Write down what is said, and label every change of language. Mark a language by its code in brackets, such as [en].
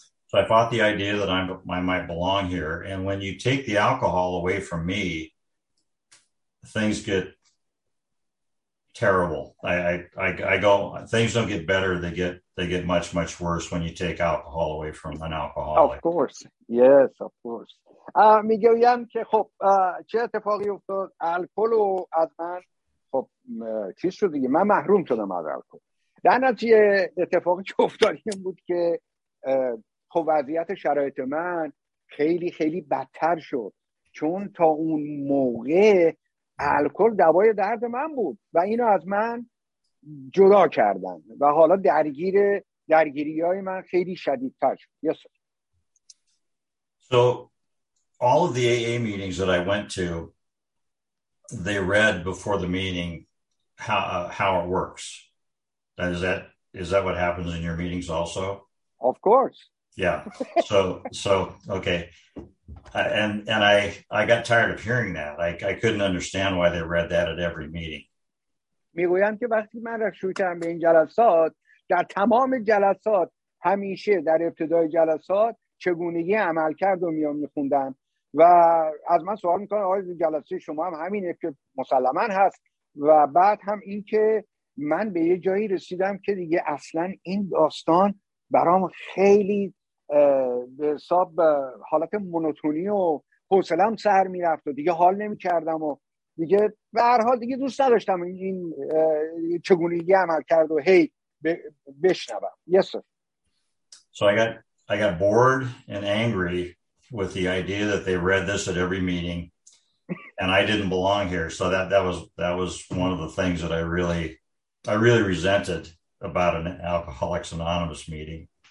[en] So I fought the idea that I might belong here. And when you take the alcohol away from me, things get terrible. Things don't get better. They get much, much worse when you take alcohol away from an alcoholic. Of course. Yes, of course. [fa] میگویم که خب چه اتفاقی افتاد؟ الکل و از من خب چیز شد دیگه، من محروم شدم از الکل. در نتیجه اتفاقی که افتاد این بود که خب وضعیت شرایط من خیلی خیلی بدتر شد، چون تا اون موقع الکل دوای درد من بود و اینو از من جدا کردن و حالا درگیری‌های من خیلی شدیدتر شد. [en] Yes. So all of the AA meetings that I went to, they read before the meeting how it works. And is that what happens in your meetings also? Of course. Yeah. So okay. And I got tired of hearing that. I couldn't understand why they read that at every meeting. [fa] میگویم که وقتی من شروع کردم به این جلسات، در تمام جلسات همیشه در ابتدای جلسات چگونگی عمل کرد و میام میخوندم و از من سوال میکنن آقای جلسه شما هم همینه که مسلمن هست، و بعد هم این که من به یه جایی رسیدم که دیگه اصلا این داستان برام خیلی به حساب حالت مونوتونی و حوصله‌ام سر میرفت و دیگه حال نمیکردم و دیگه به هر حال دیگه دوست نداشتم این چگونگی عمل کرد و هی بشنوم. [en] Yes, sir. So I got bored and angry with the idea that they read this at every meeting and I didn't belong here. So that was one of the things that I really resented about an Alcoholics Anonymous meeting.